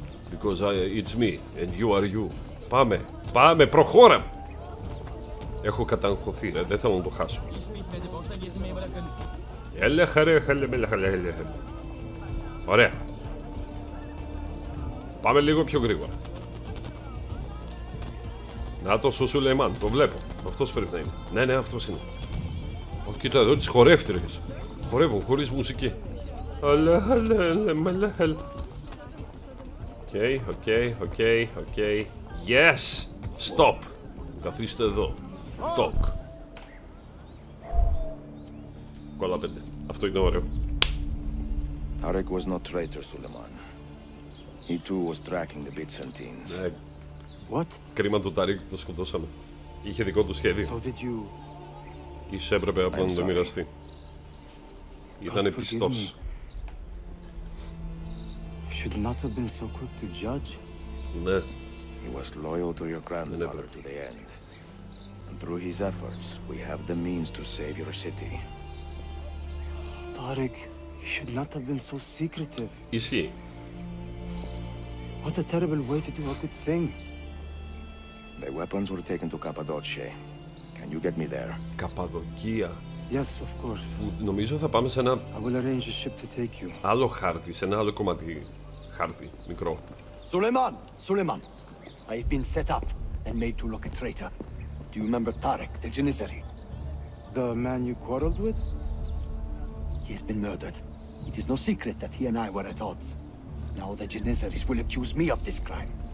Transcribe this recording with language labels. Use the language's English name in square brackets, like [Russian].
[English] Because it's me and you are you. [Greek] Πάμε, πάμε, προχώρα! Έχω καταγχωθεί, ρε, δεν θέλω να το χάσω. Έλεγχα ρε, έλεγχα ρε, έλεγχα ρε. Ωραία. Πάμε λίγο πιο γρήγορα. Να το Σουλεϊμάν, το βλέπω. Αυτός πρέπει να είναι. Ναι, ναι, αυτός είναι. Ω, κοίτα εδώ τις χορεύτηρες. Χορεύουν χωρίς μουσική. Αλε, αλε, αλε, μελε, αλε. Οκ, οκ, οκ, οκ. [English] Yes! Stop! [Greek] Καθίστε εδώ. [English] Talk. [Greek] Κόλλα πέντε. Αυτό είναι ωραίο. [English] Tarek was not traitor, Σουλεϊμάν. He too was tracking the bits and teens. [Greek] Ναι. [English] What? [Greek] Κρίμα του Tarek που το σκοτώσαμε. Είχε δικό του σχέδιο. [English] So did you... [Greek] Ίσως έπρεπε απλά να το μοιραστεί. Ήταν πιστός. [English] Should not have been so quick to judge. [Greek] Ναι. [English] He was loyal to your grandfather to the end. And through his efforts, we have the means to save your city. Tarek, should not have been so secretive. [Greek] Ισχύει. [English] What a terrible way to do a good thing. The weapons were taken to Cappadocia. Can you get me there? [Greek] Καπαδοκία. [English] Yes, of course. [Greek] Νομίζω θα πάμε σε ένα [English] I will arrange a ship to take you. [Greek] Άλλο χάρτη, σε ένα άλλο κομμάτι χάρτη, μικρό. Σουλεϊμάν, Σουλεϊμάν. [English] I've been set up and made to look a traitor. Do you remember Tarek, the Janissary? The man you quarreled with? He's been murdered. It is no secret that he and I were at odds. Now the Janissaries will accuse me of this crime.